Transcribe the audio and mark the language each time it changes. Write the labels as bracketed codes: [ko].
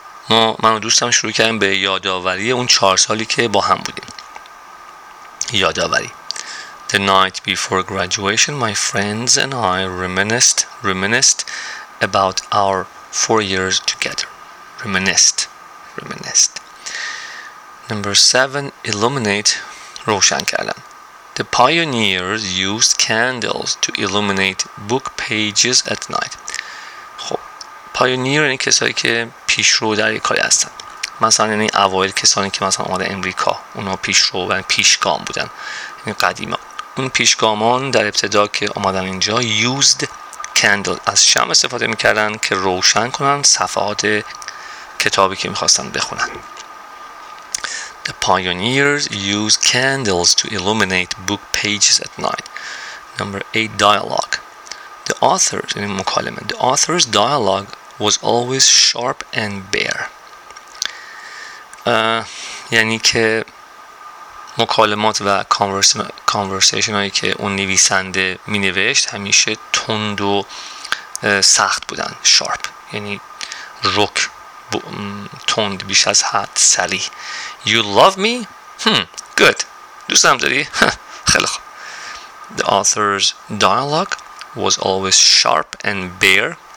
[fa] من و دوستم شروع کردیم به یادآوری اون 4 سالی که با هم بودیم. یادآوری. [en] The night before graduation, my friends and I reminisced about our 4 years together. Reminisced. Number 7, illuminate, [fa] روشن کردم. [en] The pioneers used candles to illuminate book pages at night. [fa] خب پایونیر یعنی کسایی که پیشرو در یک کاری هستن. مثلا یعنی اوایل کسانی که مثلا اومدن امریکا، اونا پیشرو و پیشگام بودن. یعنی قدیما اون پیشگامان در ابتدا که اومدن اینجا [en] used candle [fa] از شمع استفاده می‌کردن که روشن کنن صفحات کتابی که می‌خواستن بخونن. [en] The pioneers use candles to illuminate book pages at night. Number 8 dialogue. The author's dialogue was always sharp and bare. [fa] یعنی که مکالمات و کانورسیشن هایی که اون نویسنده می نوشت همیشه تند و سخت بودن، شارپ، یعنی رک، تند، بیش از حد سلی. [en] You love me? Good. [fa] دوستم داری؟ خیلی خوب. [en] The author's dialogue was always sharp and bare.